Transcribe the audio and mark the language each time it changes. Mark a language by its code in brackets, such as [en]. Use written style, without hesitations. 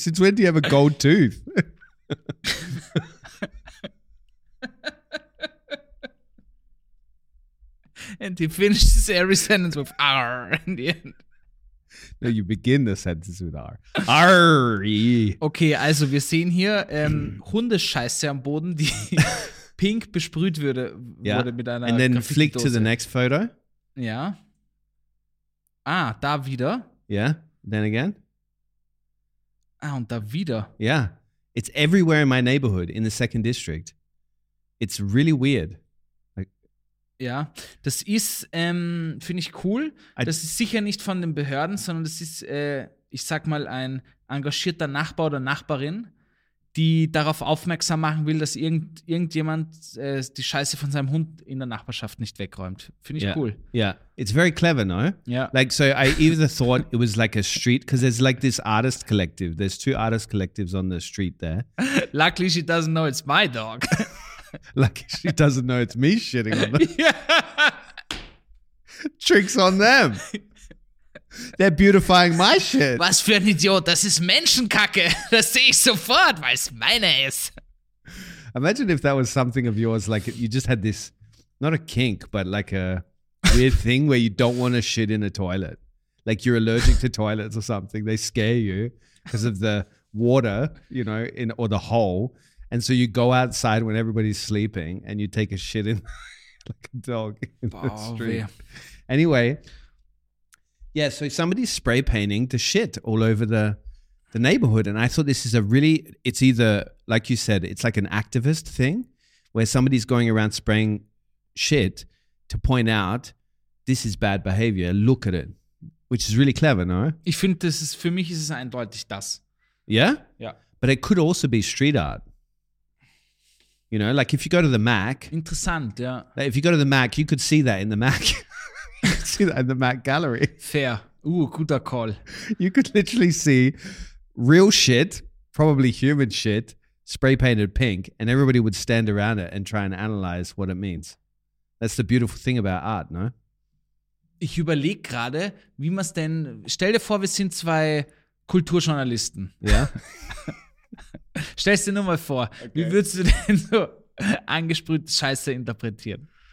[en] Since when do you have a gold tooth? And he finishes every sentence with "arr" in the end. No, you begin the sentence with "arr". Arr. [de] Okay, also wir sehen hier Hundescheiße am Boden, die pink besprüht würde, [en] yeah. [de] Wurde mit einer. [en] And then flick to the next photo. [de] Ja. Ah, da wieder. [en] Yeah. Then again. [de] Ah, und da wieder. [en] Yeah. It's everywhere in my neighborhood, in the second district. It's really weird. Like, [de] ja, das ist, finde ich cool. Das ist sicher nicht von den Behörden, sondern das ist, ich sag mal, ein engagierter Nachbar oder Nachbarin, die darauf aufmerksam machen will, dass irgendjemand die Scheiße von seinem Hund in der Nachbarschaft nicht wegräumt. Finde ich [en] yeah. Cool. Yeah, it's very clever, no? Yeah. Like, so I either thought it was like a street, because there's like this artist collective. There's two artist collectives on the street there. Luckily, she doesn't know it's my dog. Luckily, she doesn't know it's me shitting on them. Yeah. Tricks on them. They're beautifying my shit. [de] Was für ein Idiot, das ist Menschenkacke. Das sehe ich sofort, weil es meine ist. [en] Imagine if that was something of yours, like you just had this, not a kink, but like a weird thing where you don't want to shit in a toilet. Like you're allergic to toilets or something. They scare you because of the water, you know, in or the hole. And so you go outside when everybody's sleeping and you take a shit in like a dog in the street. Wow. Anyway, yeah, so somebody's spray painting the shit all over the neighborhood. And I thought this is a really, it's either, like you said, it's like an activist thing where somebody's going around spraying shit to point out, this is bad behavior, look at it. Which is really clever, no? [de] Ich finde, das ist für mich ist es eindeutig das. [en] Yeah? Yeah. But it could also be street art. You know, like if you go to the Mac. [de] Interessant, [en] yeah. Like if you go to the Mac, you could see that in the Mac. You could see that in the Mac gallery. Fair. [de] Ooh, guter Call. [en] You could literally see real shit, probably human shit, spray painted pink, and everybody would stand around it and try and analyze what it means. That's the beautiful thing about art, no? [de] Ich überlege gerade, wie man es denn, stell dir vor, wir sind zwei Kulturjournalisten. Ja. Stell es dir nur mal vor, okay. Wie würdest du denn so angesprüht Scheiße interpretieren?